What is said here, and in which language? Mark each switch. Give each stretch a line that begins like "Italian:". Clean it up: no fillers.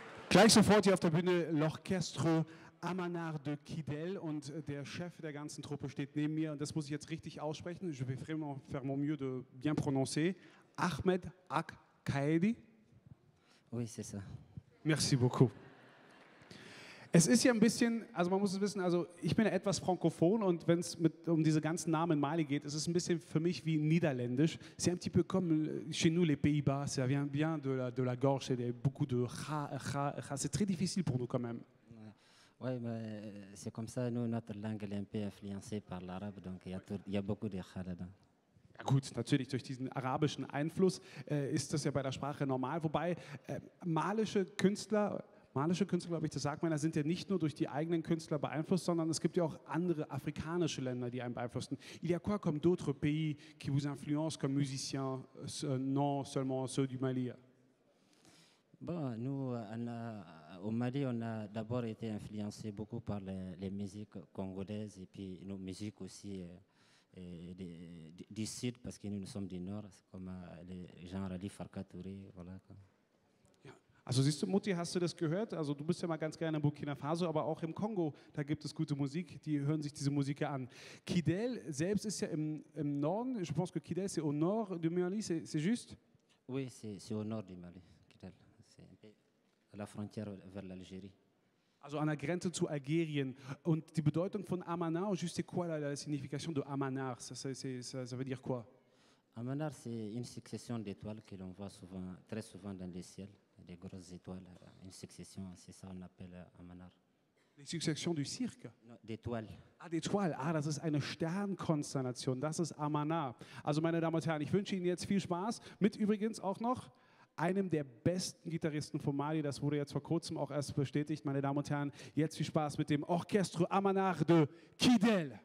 German: Gleich sofort hier auf der Bühne L'Orchestre Amanar de Kidel und der Chef der ganzen Truppe steht neben mir und das muss ich jetzt richtig aussprechen.
French: Je vais vraiment faire mon mieux de bien prononcer. Ahmed Ak Kaedi. Oui, c'est ça. Merci beaucoup.
German: Es ist ja ein bisschen, also man muss es wissen, also ich bin ja etwas frankophon und wenn es um diese ganzen Namen in Mali geht, es ist ein bisschen für mich wie niederländisch.
French: C'est un petit peu comme chez nous les Pays-Bas, ça vient bien de la gorge, c'est beaucoup de ha, c'est très difficile pour nous quand même. Oui, mais c'est comme ça, nous, notre langue est un peu influencée par l'arabe, donc il y a beaucoup de ha là-dedans.
German: Ja gut, natürlich durch diesen arabischen Einfluss ist das ja bei der Sprache normal, wobei malische Künstler, glaube ich, das sagt man, da sind ja nicht nur durch die eigenen Künstler beeinflusst, sondern es gibt ja auch andere afrikanische Länder, die einen beeinflussen.
French: Il y a quoi comme d'autres pays qui vous influencent comme musicien, non seulement ceux du Mali? Bon, nous, au Mali, on a d'abord été influencé beaucoup par les musiques congolaises et puis nos musiques aussi du sud, parce que nous sommes du nord, comme le genre Ali Farka Touré, voilà.
German: Also siehst du, Mutti, hast du das gehört? Also du bist ja mal ganz gerne in Burkina Faso, aber auch im Kongo, da gibt es gute Musik, die hören sich diese Musik an. Kidel selbst ist ja im Norden,
French: je pense que Kidel c'est au nord du Mali, c'est juste? Oui, c'est au nord du Mali, Kidel. C'est la frontière vers l'Algérie.
German: Also an der Grenze zu Algerien. Und die Bedeutung von Amanar,
French: juste quoi la signification de Amanar? Ça veut dire quoi? Amanar, c'est une succession d'étoiles que l'on voit souvent, très souvent dans le ciel. Des grosses étoiles, une succession, c'est ça qu'on appelle Amanar. Les successions du cirque? Non, d'étoiles. Ah, d'étoiles, ah,
German: das ist eine Sternkonstellation, das ist Amanar. Also, meine Damen und Herren, ich wünsche Ihnen jetzt viel Spaß mit übrigens auch noch einem der besten Gitarristen von Mali, das wurde jetzt vor kurzem auch erst bestätigt, meine Damen und Herren, jetzt viel Spaß mit dem Orchestre Amanar de Kidel.